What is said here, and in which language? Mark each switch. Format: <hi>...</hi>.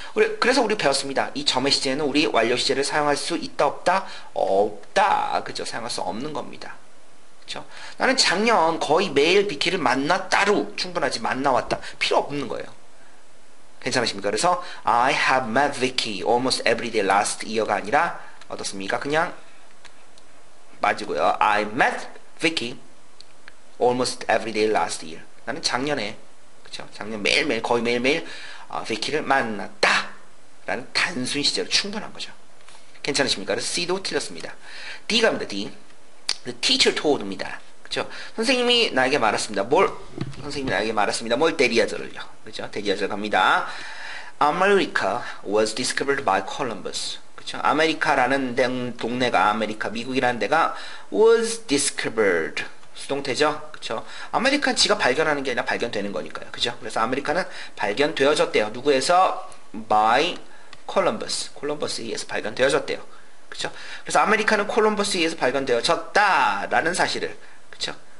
<ko>우리 그래서 우리 배웠습니다. 이 점의 시제는 우리 완료 시제를 사용할 수 있다 없다? 없다. 그죠? 사용할 수 없는 겁니다. 그죠? 나는 작년 거의 매일 비키를 만났다로 충분하지 만나왔다. 필요 없는 거예요. 괜찮으십니까? 그래서</ko> <en>I have met Vicky almost every day last year가</en> <ko>아니라 어떻습니까? 그냥 맞고요.</ko> <en>I met Vicky almost every day last year.</en> <ko>나는 작년에, 그쵸? 작년 매일매일, 거의 매일매일, 비키를 만났다. 라는 단순 시제로 충분한 거죠. 괜찮으십니까? 그래서 C도 틀렸습니다. D 갑니다, D.</ko> <en>The teacher told입니다.</en> <ko>그쵸? 선생님이 나에게 말했습니다. 뭘? 선생님이 나에게 말했습니다. 뭘? 대리아절을요. 그쵸? 대리아절 갑니다.</ko> <en>America was discovered by Columbus.</en> <ko>그쵸? 아메리카라는 동네가, 아메리카, 미국이라는 데가 was discovered. 수동태죠? 그쵸? 아메리카는 지가 발견하는 게 아니라 발견되는 거니까요. 그죠? 그래서 아메리카는 발견되어졌대요. 누구에서?</ko> <en>By Columbus.</en> <ko>콜럼버스에 의해서 발견되어졌대요. 그죠? 그래서 아메리카는 콜럼버스에 의해서 발견되어졌다! 라는 사실을. 그죠?</ko>